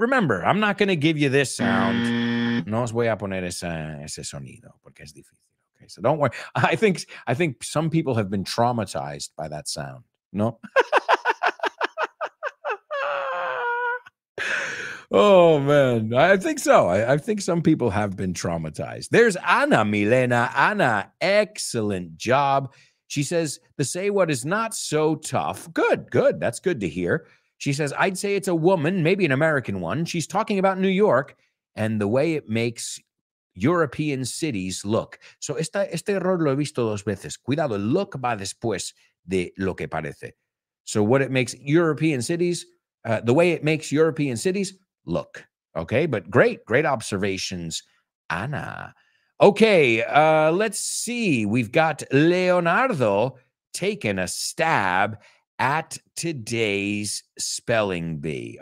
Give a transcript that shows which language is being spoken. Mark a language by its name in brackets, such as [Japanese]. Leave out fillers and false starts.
[English] Remember, I'm not going to give you this sound. [Spanish] No os voy a poner ese sonido porque es difícil. [English] Okay, so don't worry. I think some people have been traumatized by that sound. No? Oh, man. I think so. I think some people have been traumatized. There's Anna Milena. Anna, excellent job. She says, the say what is not so tough. Good, good. That's good to hear. She says, I'd say it's a woman, maybe an American one. She's talking about New York and the way it makes European cities look. [Spanish] So este error lo he visto dos veces. Cuidado, look va después de lo que parece. [English] So what it makes European cities, the way it makes European cities look. Okay, but great, great observations, Anna. Okay, let's see. We've got Leonardo taking a stab at today's spelling bee.